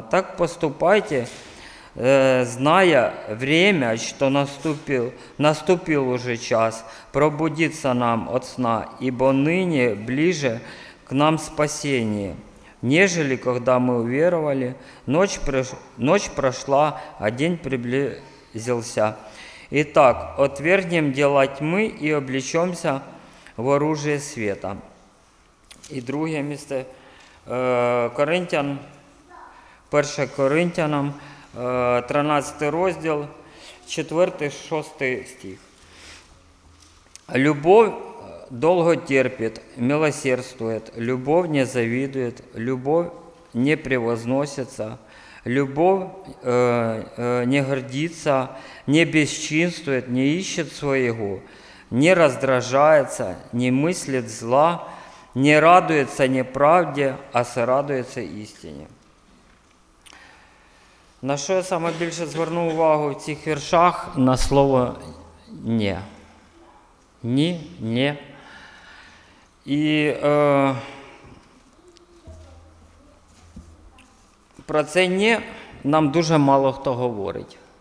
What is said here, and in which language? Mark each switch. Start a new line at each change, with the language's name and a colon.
Russian: Так поступайте, зная время, что наступил уже час пробудиться нам от сна, ибо ныне ближе к нам спасение, нежели когда мы уверовали. Ночь прошла, а день приблизился. Итак, отвергнем дела тьмы и облечемся в оружие света».
Ukrainian: І друге місце, Коринтян, 1 Коринтянам, 13 розділ, 4-6 стих.
Russian: «Любов довго терпит, милосердствует, любов не завидует, любов не превозносится, любов не гордится, не бесчинствует, не ищет своего, не раздражается, не мыслит зла,
Ukrainian: не радується неправді, а зрадується істині». На що я найбільше звернув увагу в цих віршах? На слово «не». «Ні», «не». І про це «не» нам дуже мало хто говорить.